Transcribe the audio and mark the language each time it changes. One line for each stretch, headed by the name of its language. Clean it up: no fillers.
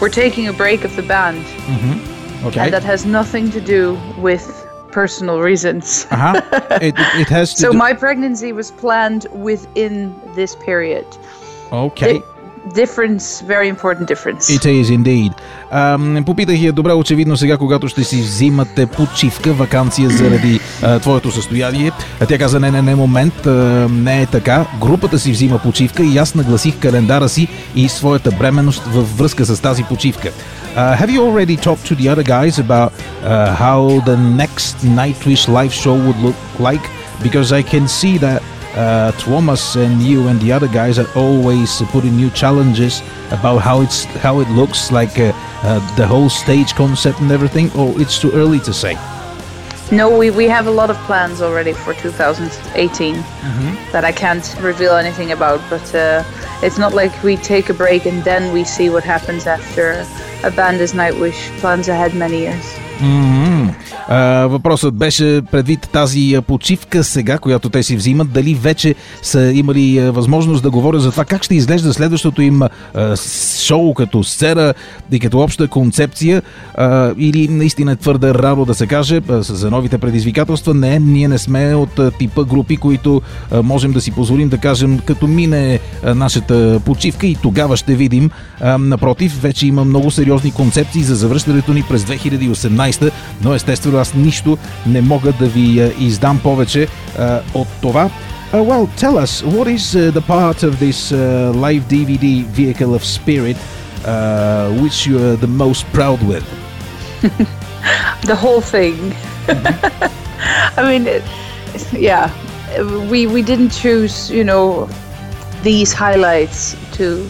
English: We're taking a break of the band. Mm-hmm. Okay. And that has nothing to do with personal reasons. Uh-huh. It has to. So my pregnancy was planned within this period. Okay. Difference, very important difference. It is indeed.
Bulgarian: Попитах я, добре, очевидно сега, когато ще си взимате почивка, ваканция заради твоето състояние. Тя каза, не, момент, не е така. Групата си взима почивка и аз нагласих календара си и своята бременност във връзка с тази почивка.
English: Have you already talked to the other guys about how the next Nightwish live show would look like? Because I can see that Thomas and you and the other guys are always putting new challenges about how it looks like the whole stage concept and everything, or it's too early to say? No, we have a lot of plans already for 2018. Mm-hmm. That I can't reveal anything about, but it's not like we take a break and then we see what happens after a band is Nightwish. Plans ahead many years. Mm-hmm.
Bulgarian: Въпросът беше предвид тази почивка сега, която те си взимат, дали вече са имали възможност да говорят за това как ще изглежда следващото им шоу като сцена и като обща концепция, или наистина твърде рано да се каже за новите предизвикателства. Не, ние не сме от типа групи, които можем да си позволим да кажем като мине нашата почивка и тогава ще видим. Напротив, вече има много сериозни концепции за завръщането ни през 2018, но естествено аз нищо не мога да ви издам повече от това.
English: Well, tell us, what is the part of this live DVD Vehicle of Spirit which you are the most proud with? The whole thing. Mm-hmm. I mean, yeah, we didn't choose, you know, these highlights to